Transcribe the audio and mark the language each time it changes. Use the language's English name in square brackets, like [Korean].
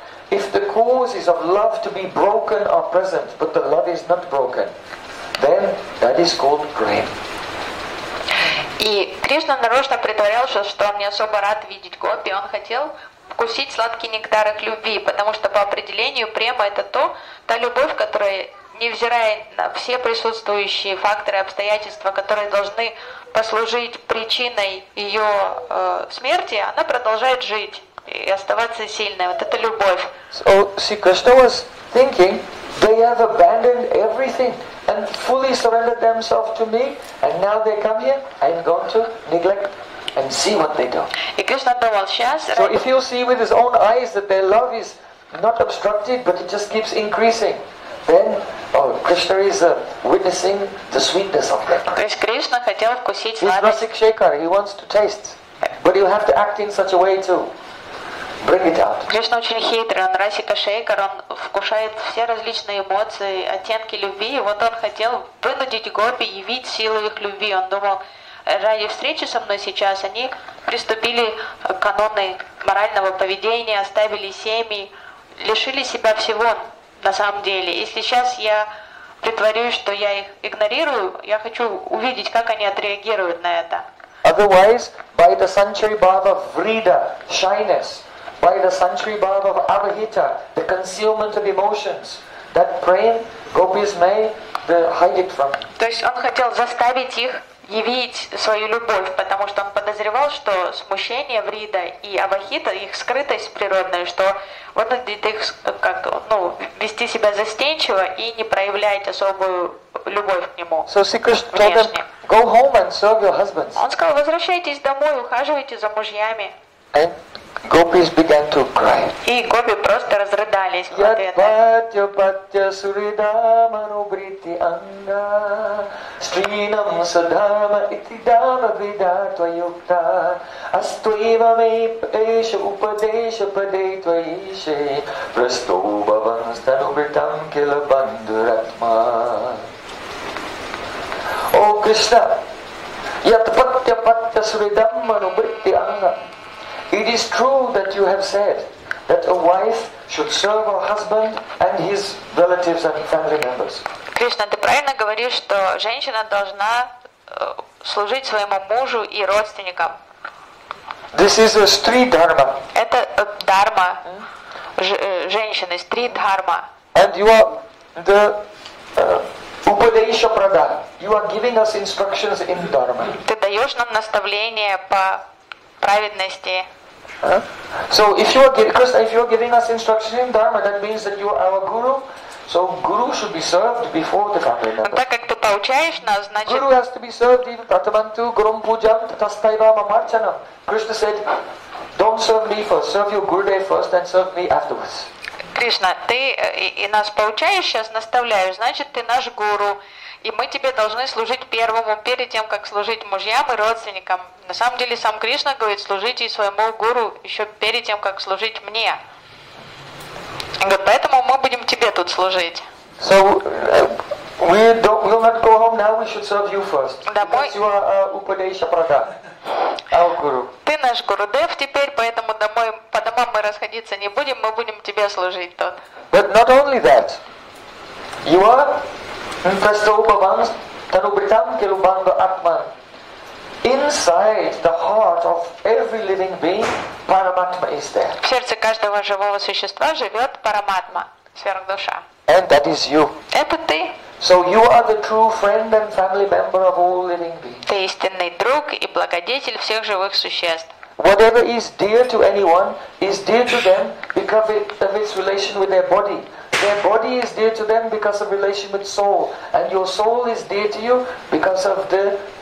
[English] If the cause is of love to be broken or present, but the love is not broken, then that is called prem. [Russian] И Кришна нарочно притворялся, что он не особо рад видеть гопи, он хотел вкусить сладкий нектар их любви, потому что по определению према это то, та любовь, которая, невзирая на все присутствующие факторы, обстоятельства, которые должны послужить причиной ее смерти, она продолжает жить и оставаться сильной. Вот это любовь. [English] So, see, Krishna was thinking, they have abandoned everything and fully surrendered themselves to me, and now they come here, I'm going to neglect and see what they do. [Russian] И Кришна думал, сейчас... [English] So if you see with his own eyes that their love is not obstructed, but it just keeps increasing, then Krishna is witnessing the sweetness of that. [Russian] То есть Кришна хотел вкусить сладость. [English] He's rasik shekhar, he wants to taste. But you have to act in such a way to bring it out. [Russian] Кришна очень хитрый, он расика шейкар, он вкушает все различные эмоции, оттенки любви. И вот он хотел вынудить гопи явить силу их любви. Он думал, ради встречи со мной сейчас они приступили к канону морального поведения, оставили семьи, лишили себя всего. На самом деле, если сейчас я притворюсь, что я их игнорирую, я хочу увидеть, как они отреагируют на это. [English] Otherwise, by the sanchari bhava vrida, shyness, by the sanchari bhava avahita, the concealment of emotions, that prem gopis may hide it from. [Russian] То есть он хотел заставить их явить свою любовь, потому что он подозревал, что смущение врида и авахита, их скрытость природная, что вынудит их как, ну, вести себя застенчиво и не проявлять особую любовь к нему. [English] So, go home and serve your husbands. [Russian] Он сказал, возвращайтесь домой, ухаживайте за мужьями. [English] And gopis began to cry. [Russian] И гопи просто разрыдались. [Sanskrit] Ядпатья патья суридаману бритти анга стринам садхама итти дама вида твоюкта аствива мейп эйша упадеша падей твоише престоба ванстану бритам кила бандуратма. О, Кришна! Ядпатья патья суридамману бритти анга. [English] It is true that you have said that a wife should serve her husband and his relatives and family members. [Russian] Кришна, ты правильно говоришь, что женщина должна служить своему мужу и родственникам. [English] This is a stri dharma. [Russian] Это дхарма женщины, стри дхарма. [English] And you are the upadesha prada. You are giving us instructions in dharma. [Russian] Ты даешь нам наставление по праведности. [English] So if you are giving us instruction in dharma, that means that you are our guru. So guru should be served before the family member. [Russian] Но так как ты поучаешь нас, значит. [English] Guru has to be served even [Sanskrit] pratamantu gurum pujam tatastaiva mamarchanam. [English] Krishna said, don't serve me first, serve your gurudev first and serve me afterwards. [Russian] Кришна, ты и нас поучаешь сейчас, наставляешь, значит, ты наш гуру, и мы тебе должны служить первому, перед тем, как служить мужьям и родственникам. На самом деле, сам Кришна говорит, служите своему гуру еще перед тем, как служить мне. Говорит, поэтому мы будем тебе тут служить. [English] So, we'll not go home now, we should serve you first. [Russian] Домой. [English] Because you are Upadesha Prada, our guru. [Russian] Ты наш гурудев теперь, поэтому домой, по домам мы расходиться не будем, мы будем тебе служить тут. But not only that. You are [Sanskrit] Prastopavam Tanubritam Kirubanga Atman. [English] Inside the heart of every living being, Paramatma is there. [Russian] В сердце каждого живого существа живет Параматма, сверхдуша. [English] And that is you. [Russian] Это ты. [English] So you are the true friend and family member of all living beings. [Russian] Ты истинный друг и благодетель всех живых существ. [English] Whatever is dear to anyone is dear to them because of its relation with their body. Their body is dear to them because of relation with soul. And your soul is dear to you because of the